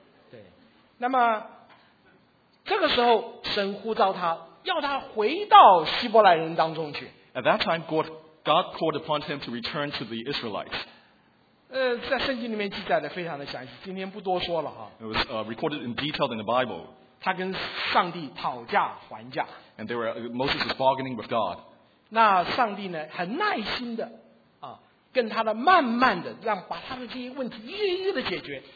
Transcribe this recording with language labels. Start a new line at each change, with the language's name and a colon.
Chinese: 对，那么这个时候神呼召他，要他回到希伯来人当中去。
English: At that time, God called upon him to return to the Israelites.
Chinese: 在圣经里面记载的非常的详细，今天不多说了哈。
English: It was recorded in detail in the Bible.
Chinese: 他跟上帝讨价还价。
English: And there were Moses was bargaining with God.
Chinese: 那上帝呢，很耐心的跟他的慢慢的让把他的这些问题一个一个的解决。